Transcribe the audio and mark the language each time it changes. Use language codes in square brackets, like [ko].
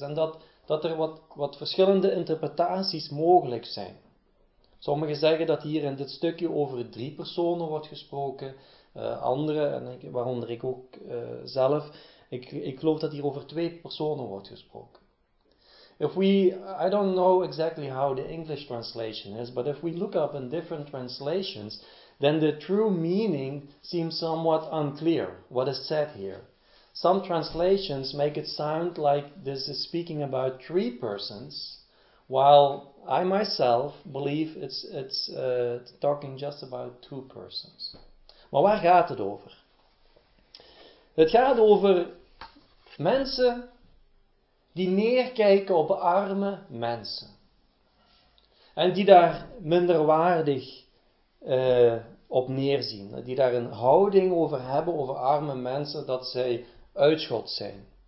[nl] En dat er wat verschillende interpretaties mogelijk zijn. Sommigen zeggen dat hier in dit stukje over drie personen wordt gesproken, anderen, waaronder ik ook zelf, ik geloof dat hier over twee personen wordt gesproken. [en] I don't know exactly how the English translation is, but if we look up in different translations, then the true meaning seems somewhat unclear, what is said here. Some translations make it sound like this is speaking about three persons, while I myself believe it's talking just about two persons. [nl] Maar waar gaat het over? Het gaat over mensen die neerkijken op arme mensen. En die daar minderwaardig op neerzien. Die daar een houding over hebben, over arme mensen, dat zij uitschot zijn.